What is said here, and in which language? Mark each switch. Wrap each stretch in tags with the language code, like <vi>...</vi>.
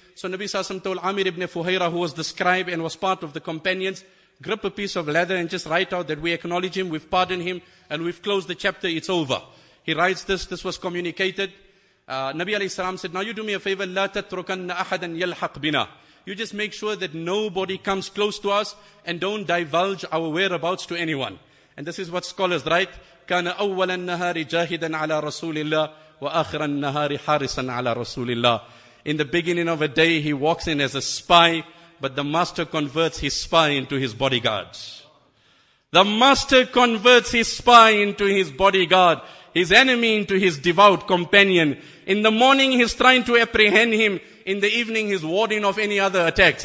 <en>So Nabi sallallahu alayhi wasallam told Amir ibn Fuhayra, who was the scribe and was part of the companions, grip a piece of leather and just write out that we acknowledge him, we've pardoned him, and we've closed the chapter, it's over. He writes this, this was communicated. Nabi alayhi salam said, now you do me a favor,</en> <ar>لا تتركن أحدا يلحق بنا.</ar> <en>You just make sure that nobody comes close to us and don't divulge our whereabouts to anyone. And this is what scholars write,</en> <ar>كان أول النهار جاهدا على رسول الله وآخر النهار حارسا على رسول الله.</ar> <en>In the beginning of a day, he walks in as a spy, but the master converts his spy into his bodyguard. The master converts his spy into his bodyguard, his enemy into his devout companion. In the morning, he's trying to apprehend him. In the evening, he's warding off any other attacks.</en>